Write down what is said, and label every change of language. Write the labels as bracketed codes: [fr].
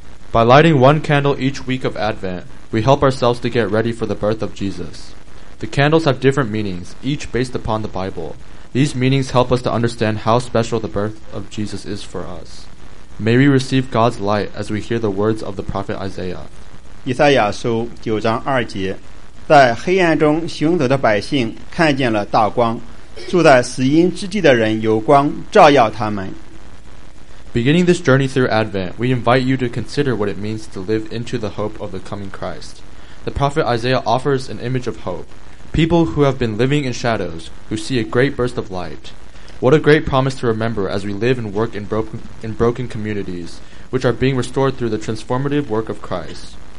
[en] By lighting one candle each week of Advent, we help ourselves to get ready for the birth of Jesus. The candles have different meanings, each based upon the Bible. These meanings help us to understand how special the birth of Jesus is for us. May we receive God's light as we hear the words of the prophet Isaiah. [zh] 以赛亚书九章二节，在黑暗中行走的百姓看见了大光，住在死荫之地的人有光照耀他们。 [en] Beginning this journey through Advent, we invite you to consider what it means to live into the hope of the coming Christ. The prophet Isaiah offers an image of hope. People who have been living in shadows, who see a great burst of light. What a great promise to remember as we live and work in broken communities, which are being restored through the transformative work of Christ.